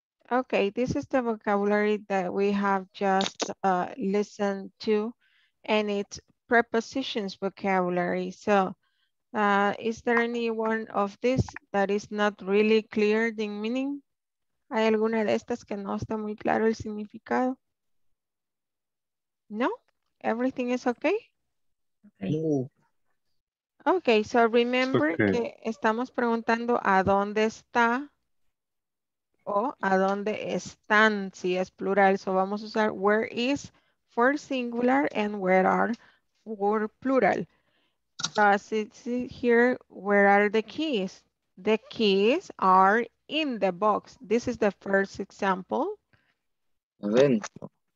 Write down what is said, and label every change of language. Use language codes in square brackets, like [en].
[en] Okay, this is the vocabulary that we have just listened to, and it's prepositions vocabulary. So is there any one of this that is not really clear the meaning? [es] ¿Hay alguna de estas que no está muy claro el significado? [en] No? Everything is okay? Okay. No. Okay, so remember okay. [es] Que estamos preguntando a dónde está o a dónde están, si es plural. [en] So [es] vamos a usar [en] where is for singular and where are for plural. Does it say here, where are the keys? The keys are in the box. This is the first example. [es] Adentro.